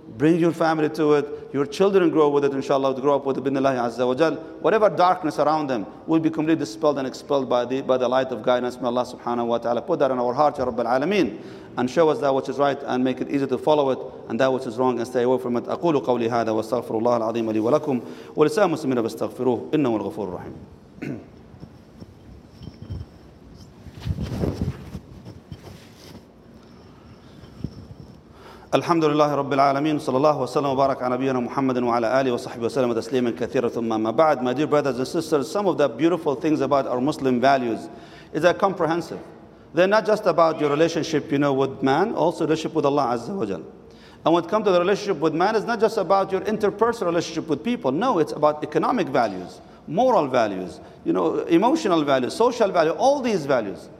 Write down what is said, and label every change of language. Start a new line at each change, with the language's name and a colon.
English: Bring your family to it. Your children grow with it, inshallah, to grow up with it, bismillah azza wa jal. Whatever darkness around them will be completely dispelled and expelled by the light of guidance. May Allah subhanahu wa ta'ala put that in our heart, ya Rabbil Alameen, and show us that which is right and make it easy to follow it, and that which is wrong and stay away from it.
Arabic: أقول قولي هذا واستغفر الله العظيم لي ولكم ولسائر المسلمين فاستغفروه إنه الغفور الرحيم. الحمد لله رب العالمين صلى الله وسلم وبارك على نبينا محمد وعلى آله وصحبه وسلم تسليما كثيرا ثم ما بعد.
English: My dear brothers and sisters, some of the beautiful things about our Muslim values is that comprehensive. They're not just about your relationship, you know, with man, also relationship with Allah Azza wa Jal. And when it comes to the relationship with man, it's not just about your interpersonal relationship with people. No, it's about economic values, moral values, you know, emotional values, social values, all these values.